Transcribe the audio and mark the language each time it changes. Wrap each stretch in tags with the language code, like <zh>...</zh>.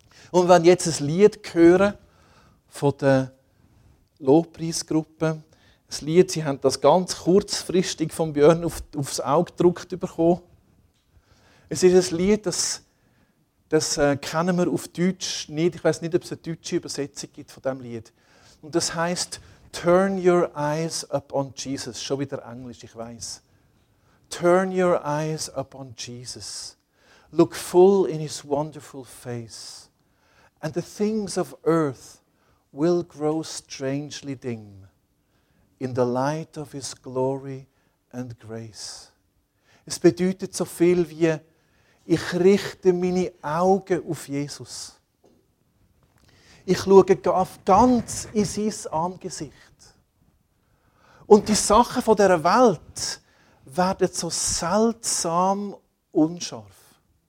<de>Und wenn jetzt ein Lied hören von der Lobpreisgruppe, ein Lied, sie haben das ganz kurzfristig von Björn aufs Auge gedruckt bekommen. Es ist ein Lied, das kennen wir auf Deutsch nicht. Ich weiß nicht, ob es eine deutsche Übersetzung gibt von diesem Lied. Und das heisst,</de> <en>Turn your eyes upon Jesus.</en> <de>Schon wieder Englisch, ich weiß.</de> <en>Turn your eyes upon Jesus. Look full in his wonderful face. And the things of earth will grow strangely dim in the light of his glory and grace.</en> <de>Es bedeutet so viel wie, ich richte meine Augen auf Jesus. Ich schaue ganz in sein Angesicht. Und die Sachen von dieser Welt werden so seltsam unscharf.</de>